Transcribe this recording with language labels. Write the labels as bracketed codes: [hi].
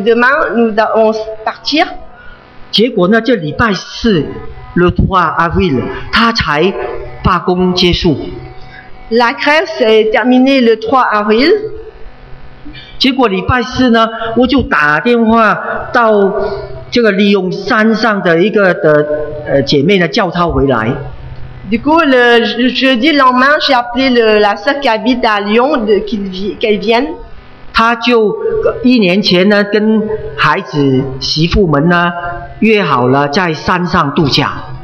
[fr] demain, nous allons partir. [zh] 结果呢，这礼拜四， [fr] le 3 avril, [zh] 他才罢工结束。 [fr] La grève s'est terminée le 3 avril. [zh] 结果礼拜四呢，我就打电话到这个利用山上的一个的姐妹呢，叫她回来。 [fr] Du coup, le jeudi lendemain, j'ai appelé la sœur qui habite à Lyon de qu'elle vienne. [zh] 她就一年前呢，跟孩子媳妇们呢约好了在山上度假。